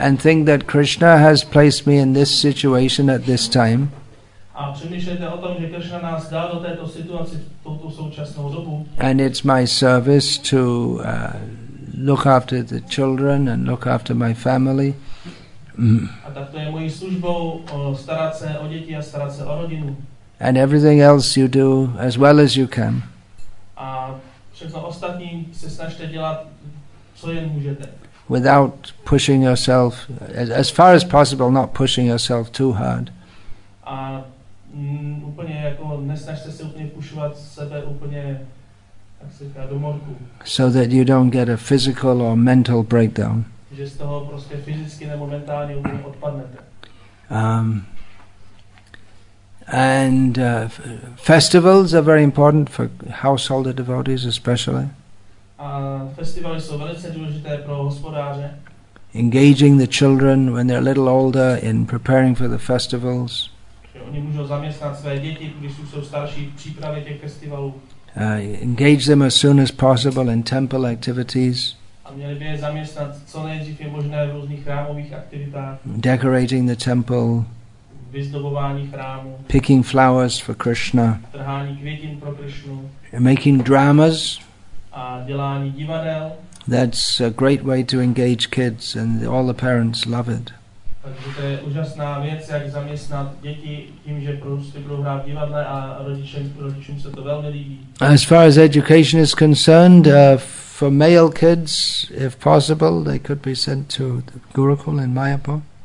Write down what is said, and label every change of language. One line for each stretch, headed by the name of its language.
English: And think that Krishna has placed me in this situation at this time.
Czech: A přemýšlejte o tom, že Krishna nás dá do této situace touto současnou dobu.
English: And it's my service to look after the children and look after my family.
Czech: A tak to je mojí službou starat se o děti a starat se o rodinu.
English: And everything else you do as well as you can.
Czech: A všechno ostatní se snažte dělat, co jen můžete.
English: Without pushing yourself, as far as possible, not pushing yourself too hard.
Czech: A úplně jako nesnažte se úplně pušovat sebe úplně, jak se říká, do morku.
English: So that you don't get a physical or mental breakdown.
Czech: Že z toho prostě fyzicky nebo mentálně úplně odpadnete.
English: Festivals are very important for householder devotees especially.
Czech: A festivaly jsou velice důležité pro hospodáře.
English: Engaging the children when they're a little older in preparing for the festivals.
Czech: Oni můžou zaměstnat své děti, když jsou starší, v přípravě těch festivalů.
English: Engage them as soon as possible in temple activities.
Czech: A měli by je zaměstnat co nejdřív je možné v různých chrámových aktivitách.
English: Decorating the temple.
Czech: Vyzdobování chrámu.
English: Picking flowers for Krishna.
Czech: Trhání květin pro Krishnu.
English: Making dramas.
Czech: A dělání divadel.
English: That's a great way to engage kids and all the parents love it.
Czech: Takže to je úžasná věc, jak zaměstnat děti tím, že prostě budou hrát divadle a rodičům se to velmi líbí.
English: As far as education is concerned, for male kids, if possible, they could be sent to the Gurukul in Mayapur.